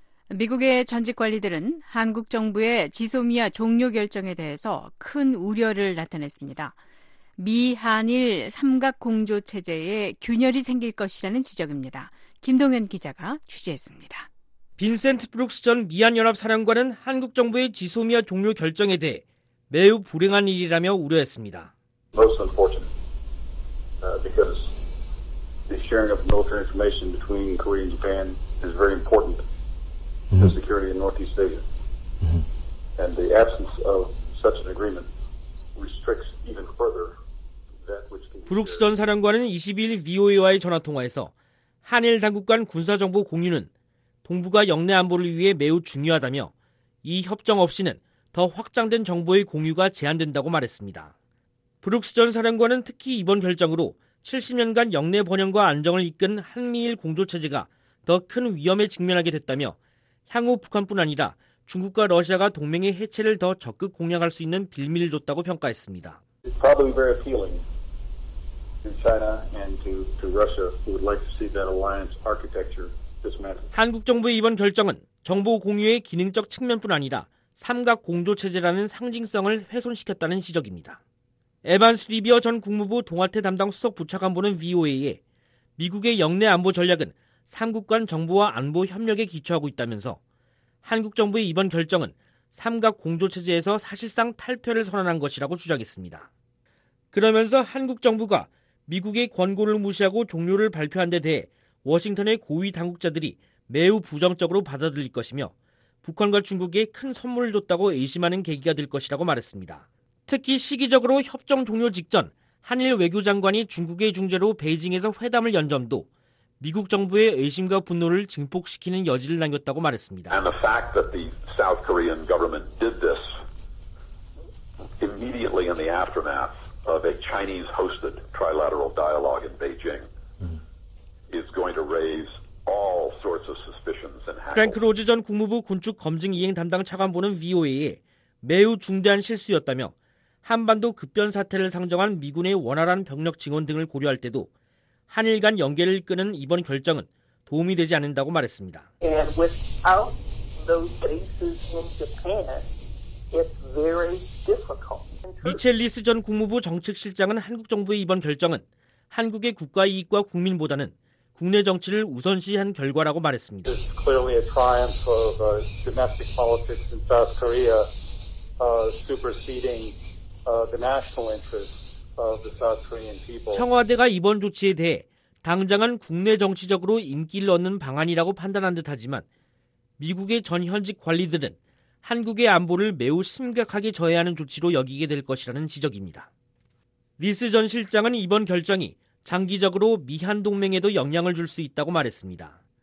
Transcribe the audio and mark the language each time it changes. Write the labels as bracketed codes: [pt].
[ko] 미국의 전직 관리들은 한국 정부의 지소미아 종료 결정에 대해서 큰 우려를 나타냈습니다. 미한일 삼각공조체제에 균열이 생길 것이라는 지적입니다. 김동현 기자가 취재했습니다. 빈센트 브룩스 전 미한연합사령관은 한국 정부의 지소미아 종료 결정에 대해 매우 불행한 일이라며 우려했습니다. [en] Most unfortunate, because the sharing of military information between Korea and Japan is very important to security in Northeast Asia. And the absence of such an agreement restricts even further. [ko] 브룩스 전 사령관은 22일 VOA와의 전화통화에서 한일 당국 간 군사정보 공유는 동북아 영내 안보를 위해 매우 중요하다며 이 협정 없이는 더 확장된 정보의 공유가 제한된다고 말했습니다. 브룩스 전 사령관은 특히 이번 결정으로 70년간 영내 번영과 안정을 이끈 한미일 공조체제가 더 큰 위험에 직면하게 됐다며 향후 북한뿐 아니라 중국과 러시아가 동맹의 해체를 더 적극 공략할 수 있는 빌미를 줬다고 평가했습니다. [en] It's probably very appealing to China and to Russia who would like to see that alliance architecture dismantled. [ko] 한국 정부의 이번 결정은 정보 공유의 기능적 측면뿐 아니라 삼각 공조 체제라는 상징성을 훼손시켰다는 지적입니다. 에반스 리비어 전 국무부 동아태 담당 수석 부차관보는 VOA에 미국의 영내 안보 전략은 3국 간 정보와 안보 협력에 기초하고 있다면서 한국 정부의 이번 결정은 삼각 공조체제에서 사실상 탈퇴를 선언한 것이라고 주장했습니다. 그러면서 한국 정부가 미국의 권고를 무시하고 종료를 발표한 데 대해 워싱턴의 고위 당국자들이 매우 부정적으로 받아들일 것이며 북한과 중국에 큰 선물을 줬다고 의심하는 계기가 될 것이라고 말했습니다. 특히 시기적으로 협정 종료 직전 한일 외교장관이 중국의 중재로 베이징에서 회담을 연 점도 미국 정부의 의심과 분노를 증폭시키는 여지를 남겼다고 말했습니다. [en] And the fact that the South Korean government did this immediately in the aftermath of a Chinese-hosted trilateral dialogue in Beijing is going to raise all sorts of suspicions and hackles. [ko] 프랭크 로즈 전 국무부 군축 검증 이행 담당 차관보는 VOA에 매우 중대한 실수였다며 한반도 급변 사태를 상정한 미군의 원활한 병력 증원 등을 고려할 때도 한일 간 연계를 끄는 이번 결정은 도움이 되지 않는다고 말했습니다. [en] And without those bases in Japan, it's very difficult. [ko] 미첼 리스 전 국무부 정책실장은 한국 정부의 이번 결정은 한국의 국가 이익과 국민보다는 국내 정치를 우선시한 결과라고 말했습니다. [en] It's clearly a triumph of domestic politics in South Korea superseding the national interest. [ko] 청와대가 이번 조치에 대해 당장은 국내 정치적으로 인기를 얻는 방안이라고 판단한 듯하지만 미국의 전 현직 관리들은 한국의 안보를 매우 심각하게 저해하는 조치로 여기게 될 것이라는 지적입니다. 리스 전 실장은 이번 결정이 장기적으로 미한 동맹에도 영향을 줄 수 있다고 말했습니다.